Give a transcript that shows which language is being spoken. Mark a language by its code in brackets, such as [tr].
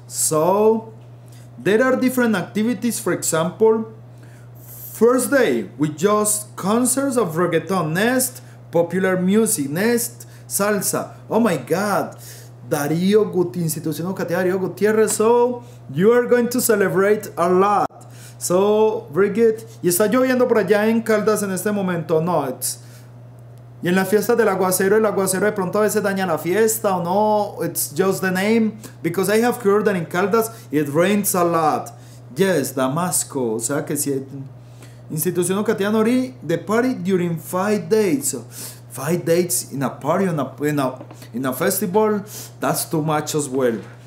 [en] So, there are different activities. For example, first day, we just concerts of reggaeton. Next, popular music. Next, salsa. Oh my God. Darío Gutiérrez, Institución Educativa Darío Gutiérrez. So, you are going to celebrate a lot. So, very good. [es] ¿Y está lloviendo por allá en Caldas en este momento? No, it's... ¿Y en las fiestas del aguacero? ¿El aguacero de pronto a veces daña la fiesta o no? [en] It's just the name. Because I have heard that in Caldas it rains a lot. Yes, Damasco. [es] O sea que si... [en] Institución Educativa Nori, the party during 5 days. So, 5 days in a party, in a festival, that's too much as well.